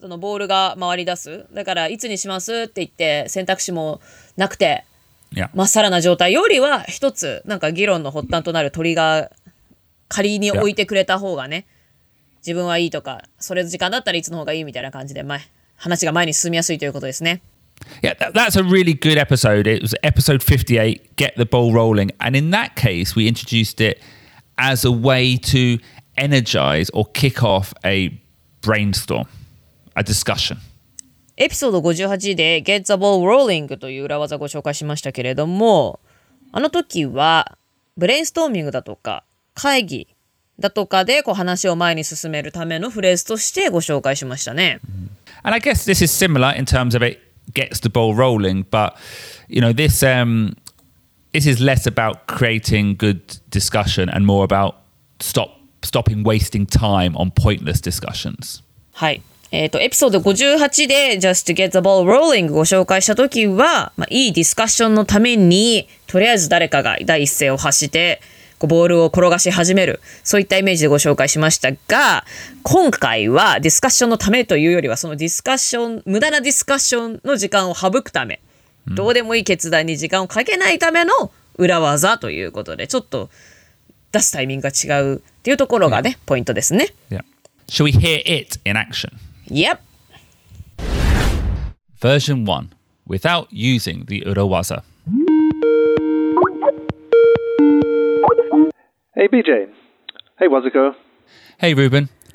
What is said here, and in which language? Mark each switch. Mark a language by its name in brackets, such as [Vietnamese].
[Japanese] そのボールが回り出す。だから、いつにしますって言って選択肢もなくて、 [English] yeah. [Japanese] まっさらな状態よりは一つ、なんか議論の発端となるトリガー仮に置いてくれた方がね。 [English] Yeah. [Japanese] 自分はいいとか、それ時間だったらいつの方がいいみたいな感じで前、話が前に進みやすいということですね。 [English] Yeah, that's a really good episode. It was episode 58, Get the Ball Rolling. And in that case, we introduced it as a way to energize or kick off a brainstorm, a discussion. [Japanese] エピソード58で Get the Ball Rolling という裏技をご紹介しましたけれども、あの時はブレインストーミングだとか会議、だとかでこう話を前に進めるためのフレーズとしてご紹介しましたね。 [English] And I guess this is similar in terms of it gets the ball rolling, but you know this, this is less about creating good discussion and more about stopping wasting time on pointless discussions. [Japanese] はい。エピソード58で [English] Just to get the ball rolling [Japanese] ご紹介した時は、まあ、いいディスカッションのためにとりあえず誰かが第一声を発してこうボールを転がし始める、そういったイメージでご紹介しましたが、今回はディスカッションのためというよりはそのディスカッション、無駄なディスカッションの時間を省くため、どうでもいい決断に時間をかけないための裏技ということで、ちょっと出すタイミングが違うっていうところがね、ポイントですね。 [English] Yeah. Shall we hear it in action? Yep. Version 1. Without using the 裏技。 Hey BJ. Hey Wazuko. Hey Ruben.